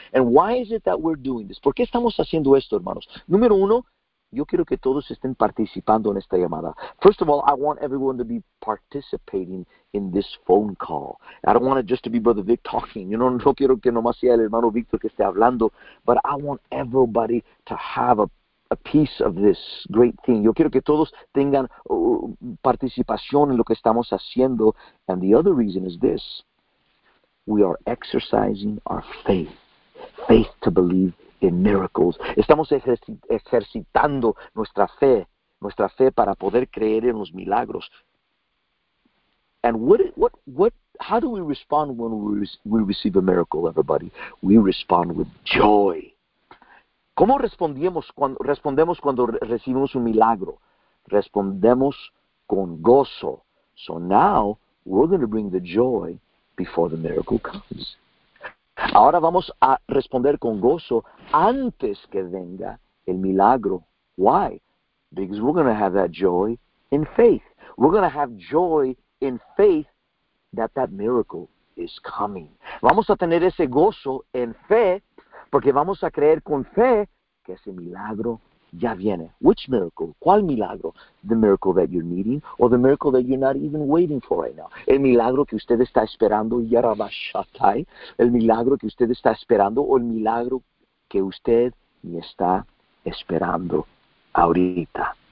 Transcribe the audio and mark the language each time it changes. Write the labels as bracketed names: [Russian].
[English] And why is it that we're doing this? [Spanish] ¿Por qué estamos haciendo esto, hermanos? Número uno, yo quiero que todos estén participando en esta llamada. [English] First of all, I want everyone to be participating in this phone call. I don't want it just to be Brother Vic talking. You know, [Spanish] no quiero que nomás sea el hermano Víctor que esté hablando. [English] But I want everybody to have a piece of this great thing. [Spanish] Yo quiero que todos tengan participación en lo que estamos haciendo. [English] And the other reason is this. We are exercising our faith. Faith to believe in miracles. [Spanish] Estamos ejercitando nuestra fe para poder creer en los milagros. [English] And how do we respond when we receive a miracle, everybody? We respond with joy. [Spanish] ¿Cómo respondemos cuando recibimos un milagro? Respondemos con gozo. [English] So now we're going to bring the joy before the miracle comes. [Spanish] Ahora vamos a responder con gozo antes que venga el milagro. [English] Why? Because we're going to have that joy in faith. We're going to have joy in faith that miracle is coming. [Spanish] Vamos a tener ese gozo en fe porque vamos a creer con fe que ese milagro ya viene. [English] Which miracle? [Spanish] ¿Cuál milagro? [English] The miracle that you're needing or the miracle that you're not even waiting for right now. [Spanish] El milagro que usted está esperando, Yarabashatai. El milagro que usted está esperando o el milagro que usted ni está esperando ahorita.